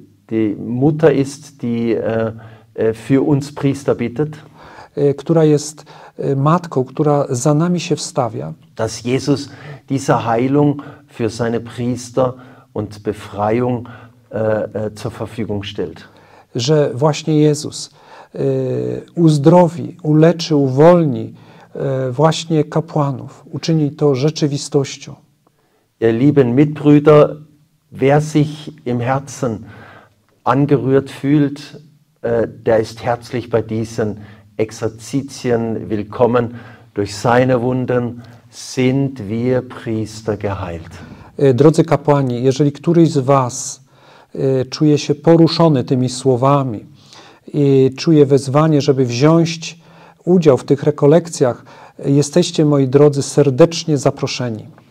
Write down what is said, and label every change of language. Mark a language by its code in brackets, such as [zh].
[de] die Mutter ist, die für uns Priester bittet, [pl] która jest matką, która za nami się wstawia, [de] dass Jesus diese Heilung für seine Priester und Befreiung zur Verfügung stellt. [pl] Że właśnie Jezus uzdrowi, uleczy, uwolni właśnie kapłanów, uczyni to rzeczywistością. [de] Ihr lieben Mitbrüder, wer sich im Herzen angerührt fühlt, der ist herzlich bei diesen Exerzitien willkommen. Durch seine Wunden sind wir Priester geheilt. [pl] Drodzy kapłani, jeżeli któryś z was czuje się poruszony tymi słowami i czuje wezwanie, żeby wziąć udział w tych rekolekcjach, jesteście, moi drodzy, serdecznie zaproszeni.